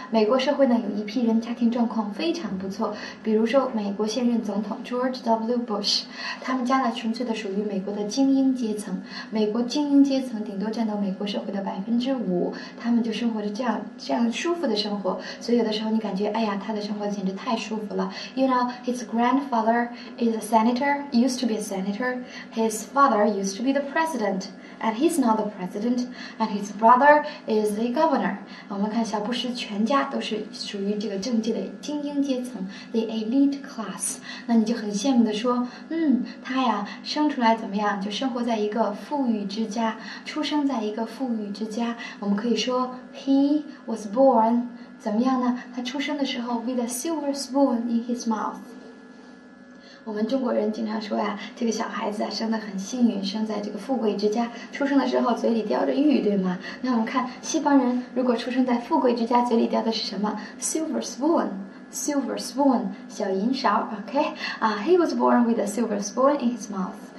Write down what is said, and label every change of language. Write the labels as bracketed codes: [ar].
[zh] 美国社会呢，有一批人家庭状况非常不错，比如说美国现任总统 George W. Bush， 他们家呢纯粹的属于美国的精英阶层，美国精英阶层顶多占到美国社会的5%，他们就生活着这样舒服的生活。所以有的时候你感觉，哎呀，他的生活简直太舒服了。 [en] You know, his grandfather is a senator, used to be a senator. His father used to be the president. And he's not the president, and his brother is the governor. [zh] 我们看小布什全家都是属于这个政界的精英阶层 ， [en] the elite class. [zh] 那你就很羡慕的说，他呀生出来怎么样，就生活在一个富裕之家，出生在一个富裕之家。我们可以说 ， [en] he was born [zh] 怎么样呢？他出生的时候 [en] with a silver spoon in his mouth. [zh] 我们中国人经常说呀，这个小孩子啊生得很幸运，生在这个富贵之家，出生的时候嘴里叼着玉，对吗？那我们看西方人如果出生在富贵之家，嘴里叼的是什么 ？ [en] Silver spoon， silver spoon, [zh] 小银勺 [en] ,OK?、He was born with a silver spoon in his mouth.